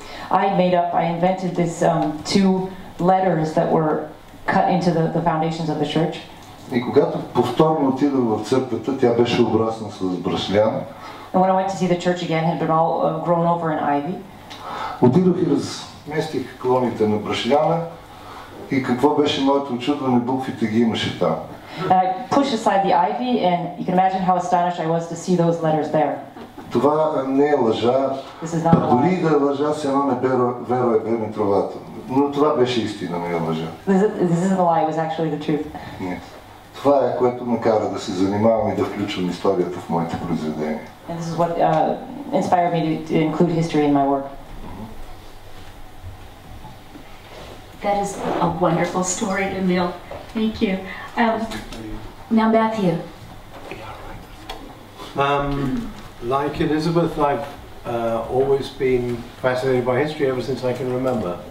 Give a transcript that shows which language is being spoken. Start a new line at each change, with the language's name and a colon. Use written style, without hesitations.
English: I invented this two letters that were cut into the foundations of the church.
Bulgarian: И когато повторно отидох в църквата, тя беше обрасна с бръшлян.
English: And when I went to see the church again, it had been all grown over in ivy.
Bulgarian: Отидох и разместих клоните на брашляна и какво беше моето очудване, буквите ги имаше там.
English: I pushed aside the ivy and you can imagine how astonished I was to see those letters there.
Bulgarian: Това не е лъжа, дори да е лъжа, се едно небело веро е време тровато. Но това беше истина, не е лъжа.
English: This isn't a lie, it was actually the truth.
Bulgarian: Не. Това е което ме кара да се занимавам и да включвам историята в моите произведения.
English: And this is what inspired me to include history in my work. That is a wonderful story, Emil. Thank you. Now, Matthew. Like Elizabeth, I've always been fascinated by history ever since I can remember.